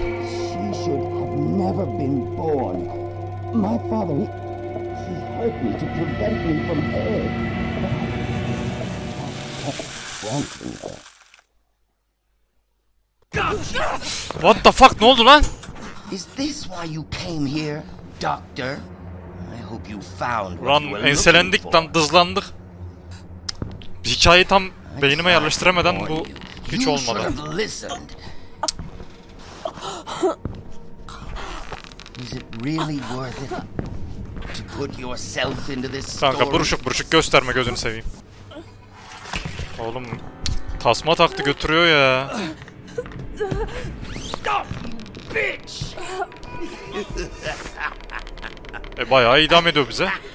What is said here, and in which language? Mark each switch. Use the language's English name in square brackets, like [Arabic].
[English] She should have never been born. My father, he hurt me to prevent me from her. What the fuck? [Turkish] Ne oldu lan? [English] Is this why you came here, doctor? I hope you found what you were looking for. [Turkish] Lan enselendik, tam dızlandık. Hikayeyi tam beynime yerleştiremeden bu hiç olmadı. [English] Is it really worth it to put yourself into this story? [Turkish] Kanka buruşuk buruşuk gösterme gözünü seveyim. Oğlum tasma taktı götürüyor ya. [English] Stop, bitch. [Turkish] Bayağı idam ediyor bize.